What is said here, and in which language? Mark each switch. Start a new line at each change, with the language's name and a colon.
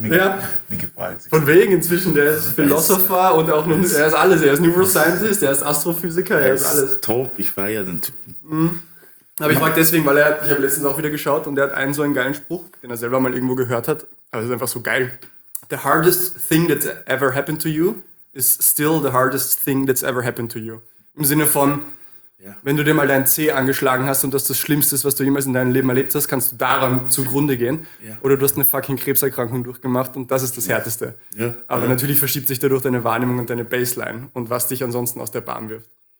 German: Mir gefällt es. Von wegen inzwischen, der ist Philosopher und auch nur, er ist alles. Er ist Neuroscientist, er ist Astrophysiker, er ist alles. Top, ich feiere den Typen. Aber ich frage deswegen, weil ich habe letztens auch wieder geschaut und der hat einen so einen geilen Spruch, den er selber mal irgendwo gehört hat. Aber es ist einfach so geil.
English: The hardest thing that's ever happened to you is still the hardest thing that's ever happened to you.
German: Im Sinne von, wenn du dir mal deinen Zeh angeschlagen hast und das Schlimmste ist, was du jemals in deinem Leben erlebt hast, kannst du daran zugrunde gehen. Yeah. Oder du hast eine fucking Krebserkrankung durchgemacht und das ist das Härteste. Aber natürlich verschiebt sich dadurch deine Wahrnehmung und deine Baseline und was dich ansonsten aus der Bahn wirft.